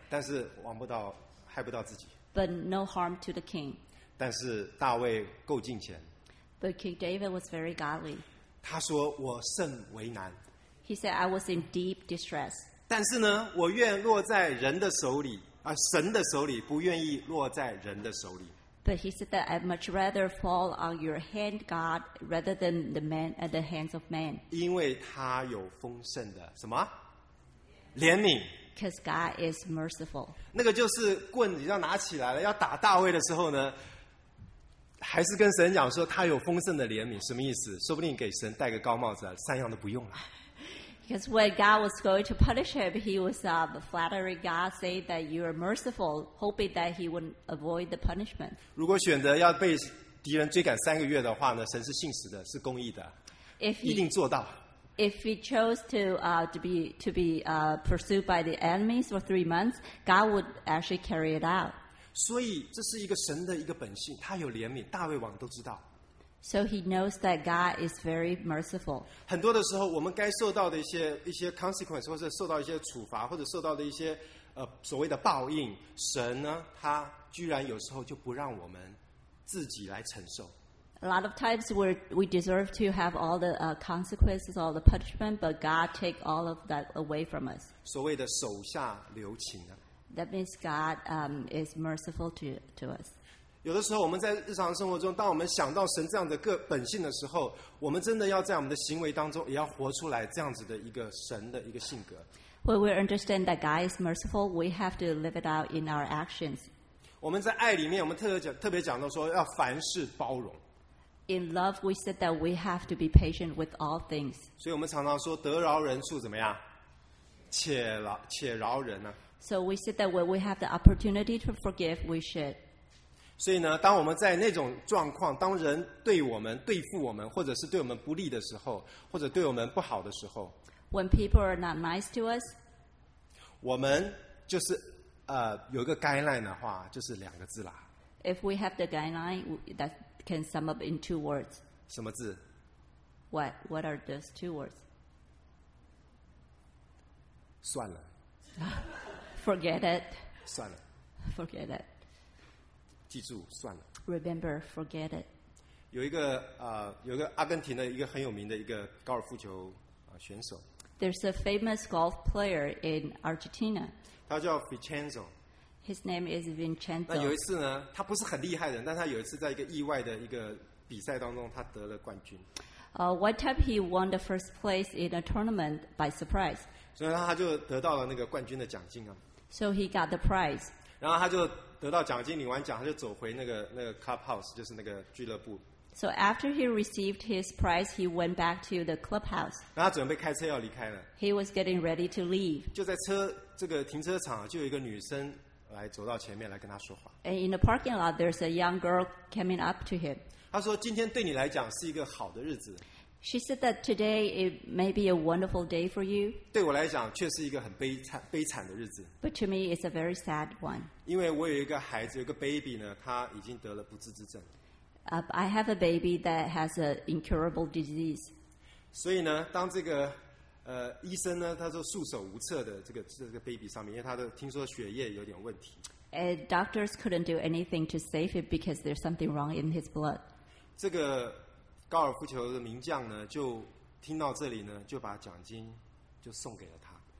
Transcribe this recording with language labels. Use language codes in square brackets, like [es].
[zh] 但是亡不到，害不到自己。 [en] But no harm to the king. [zh] 但是大卫够敬虔。 [en] But King David was very godly. [zh] 他说：“我甚为难。” [en] He said, "I was in deep distress." [zh] 但是呢，我愿落在人的手里，神的手里，不愿意落在人的手里。 [en] But he said that I'd much rather fall on your hand, God, rather than the man at the hands of man. [zh] 因为他有丰盛的什么怜悯。 [en] Because God is merciful. [zh] 那个就是棍子要拿起来了，要打大卫的时候呢，还是跟神讲说他有丰盛的怜悯，什么意思？说不定给神戴个高帽子，三样都不用了。 [en] Because when God was going to punish him, he was flattering God, saying that you are merciful, hoping that he would avoid the punishment. [zh] 如果选择要被敌人追赶三个月的话呢，神是信实的，是公义的， [en] if he, [zh] 一定做到。 [en] If he chose to be pursued by the enemies for 3 months, God would actually carry it out. [zh] 所以这是一个神的一个本性，他有怜悯，大卫王都知道。 [en] So he knows that God is very merciful. [zh] 很多的时候，我们该受到的一些 consequence， 或者受到一些处罚，或者受到的一些所谓的报应，神呢，他居然有时候就不让我们自己来承受。 [en] A lot of times we deserve to have all the consequences, all the punishment, but God take all of that away from us. [zh] 所谓的手下留情啊。 [en] That means God is merciful to us. [zh] 有的时候我们在日常生活中，当我们想到神这样的个本性的时候，我们真的要在我们的行为当中也要活出来这样子的一个神的一个性格。 [en] When we understand that God is merciful, we have to live it out in our actions. [zh] 我们在爱里面，我们特别讲到说要凡事包容。 [en] In love, we said that we have to be patient with all things. [zh] 所以我们常常说得饶人处怎么样？且饶人啊。 [en] So we said that when we have the opportunity to forgive, we should. [zh] 所以呢，当我们在那种状况，当人对我们对付我们，或者是对我们不利的时候，或者对我们不好的时候 [en] ，When people are not nice to us, [zh] 我们就是有一个 guideline 的话，就是两个字啦。 [en] If we have the guideline, that's can sum up in two words. [zh] 什么字? [en] What are those two words? [zh] 算了。 [en] Forget it. [zh] 算了。 [en] Forget it. [zh] 记住,算了。 [en] Remember, forget it. [zh] 有一个阿根廷的一个很有名的一个高尔夫球选手。 [en] There's a famous golf player in Argentina. [zh] 他叫 Vincenzo。 [en] His name is Vincenzo. [zh] 那有一次呢，他不是很厉害的，但他有一次在一个意外的一个比赛当中，他得了冠军。 [en] One time he won the first place in a tournament by surprise. [zh] 所以他就得到了那个冠军的奖金啊。 [en] So he got the prize. [zh] 然后他就得到奖金，领完奖，他就走回那个 clubhouse， 就是那个俱乐部。 [en] So after he received his prize, he went back to the clubhouse. [zh] 然后他准备开车要离开了。 [en] He was getting ready to leave. [zh] 就在这个停车场，就有一个女生。来走到前面来跟他说话。 [en] And in the parking lot, there's a young girl coming up to him. [zh] 他说今天对你来讲是一个好的日子。 [en] She said that today it may be a wonderful day for you. [zh] 对我来讲却是一个很悲惨的日子。 [en] But to me, it's a very sad one. [zh] 因为我有一个孩子，有个 baby 呢，他已经得了不治之症。 [en] I have a baby that has an incurable disease. [zh] 所以呢，当这个医生呢，他说束手无策的这个 baby 上面，因为他的听说血液有点问题。 [en] Doctors couldn't do anything to save it because there's something wrong in his blood. [zh] 这个高尔夫球的名将呢，就听到这里呢，就把奖金就送给了他。